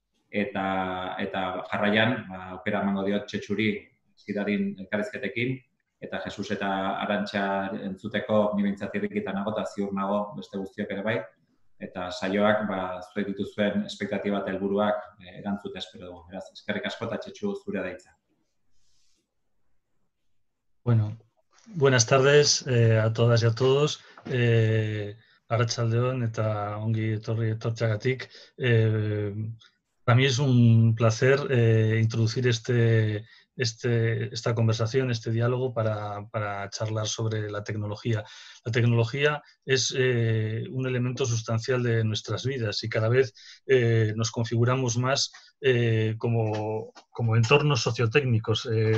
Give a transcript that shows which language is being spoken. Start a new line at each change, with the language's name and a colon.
Basque: Eta jarraian, aukera emango diot Txetxuri zidadin elkarrizketekin. Eta Jesus eta Arantxa entzuteko ni behintzat irrikitan nago eta ziur nago beste guztiok ere bai. Eta saioak ba, zure dituzuen espektatiba eta helburuak erantzuta espero dugu. Beraz, eskerrik asko eta Txetxu zure da hitza.
Spanish: Bueno, buenas tardes a todas y a todos.
Basque: Arratsaldeon eta ongi etorri etortzagatik.
Spanish: Para mí es un placer introducir esta conversación, este diálogo para charlar sobre la tecnología. La tecnología es un elemento sustancial de nuestras vidas y cada vez nos configuramos más como entornos sociotécnicos.